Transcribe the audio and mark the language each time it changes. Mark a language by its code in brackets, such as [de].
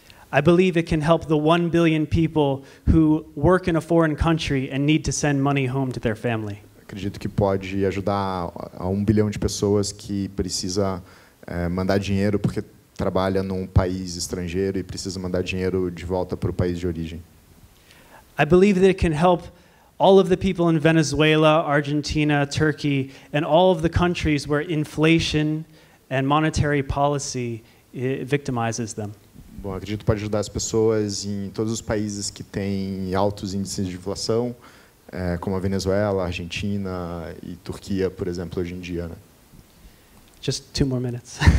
[en] I believe it can help the 1 billion people who work in a foreign country and need to send money home to their family. [pt] Acredito que pode ajudar a 1 bilhão de pessoas que precisa mandar dinheiro porque trabalha num país estrangeiro e precisa mandar dinheiro de volta para o país de origem. [en] I believe that it can help all of the people in Venezuela, Argentina, Turkey, and all of the countries where inflation and monetary policy victimizes them. [pt] Bom, acredito que pode ajudar as pessoas em todos os países que têm altos índices de inflação, como a Venezuela, a Argentina e Turquia, por exemplo, hoje em dia, né? [en] Just 2 more minutes.